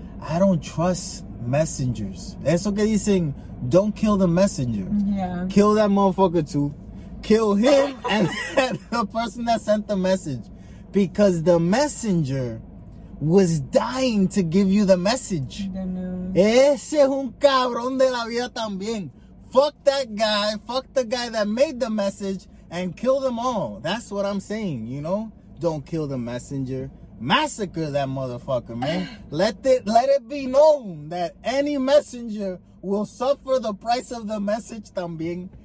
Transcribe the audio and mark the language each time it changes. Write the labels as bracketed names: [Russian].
[English] I don't trust messengers. That's okay. He's saying, don't kill the messenger. Yeah. Kill that motherfucker too. Kill him and the person that sent the message. Because the messenger was dying to give you the message. [Spanish] Ese es un cabrón de la vida también. [English] Fuck that guy. Fuck the guy that made the message and kill them all. That's what I'm saying, you know? Don't kill the messenger. Massacre that motherfucker, man. Let it be known that any messenger will suffer the price of the message también.